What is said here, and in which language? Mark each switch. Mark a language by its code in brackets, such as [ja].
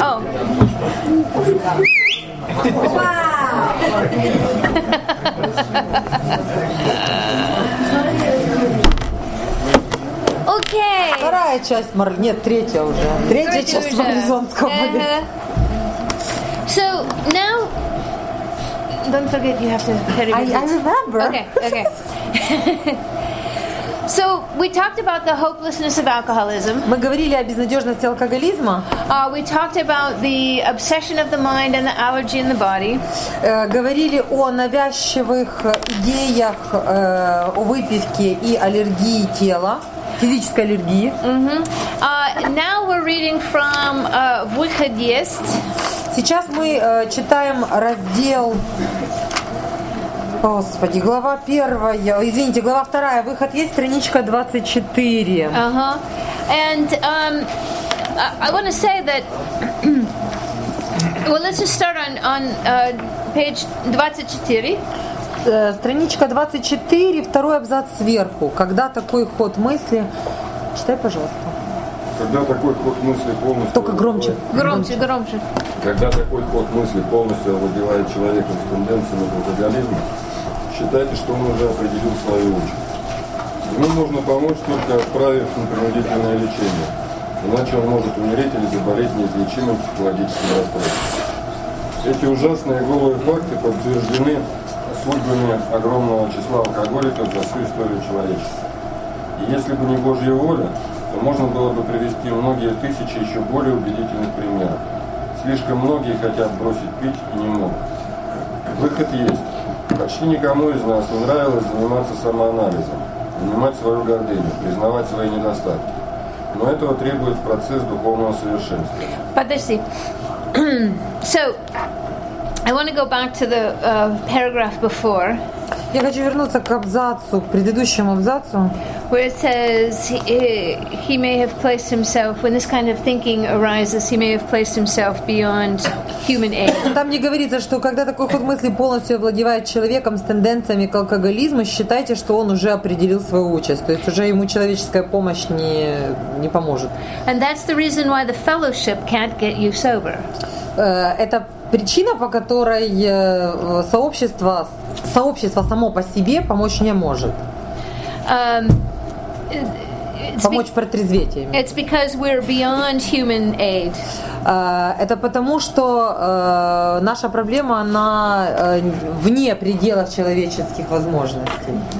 [ru] О. Окей. Вторая часть Марли. Нет, третья уже. Третья часть Марлизонского моря. [en] So now, don't forget you have to carry it. I remember. Okay. So we talked about the hopelessness of alcoholism. [ru] Мы говорили о безнадежности алкоголизма. [en] We talked about the obsession of the mind and the allergy in the body. [ru] Говорили о навязчивых идеях о выпивке и аллергии тела, физической аллергии. [en] Now we're reading from [ru] Выход есть. Сейчас мы читаем раздел. Господи, глава первая, извините, глава вторая, выход есть, страничка 24. [en] And I want to say that, well, let's just start on page 24. [ru] Страничка 24, второй абзац сверху. Когда такой ход мысли... Читай, пожалуйста. Когда такой ход мысли полностью... Только громче. Громче. Когда такой ход мысли полностью овладевает человеком с тенденциями к алкоголизму, считайте, что он уже определил свою участь. Ему можно помочь, только отправив на принудительное лечение. Иначе он может умереть или заболеть неизлечимым психологическим расстройством. Эти ужасные голые факты подтверждены судьбами огромного числа алкоголиков за всю историю человечества. И если бы не Божья воля, то можно было бы привести многие тысячи еще более убедительных примеров. Слишком многие хотят бросить пить и не могут. Выход есть. Почти никому из нас не нравилось заниматься самоанализом, понимать свою гордыню, признавать свои недостатки. Но этого требует процесс духовного совершенствования. Подожди. [en] So, I want to go back to the paragraph before. [ru] Я хочу вернуться к абзацу, к предыдущему абзацу. [en] Where it says he may have placed himself, when this kind of thinking arises, he may have placed himself beyond human aid. [ru] Там не говорится, что когда такой ход мысли полностью овладевает человеком с тенденциями к алкоголизму, считайте, что он уже определил свою участь. То есть уже ему человеческая помощь не поможет. [en] And that's the reason why the fellowship can't get you sober. [ru] Это причина, по которой сообщество само по себе помочь не может. Помочь протрезветь. [en] It's because we're beyond human aid. [ru] Это потому, что наша проблема, она вне пределов человеческих возможностей.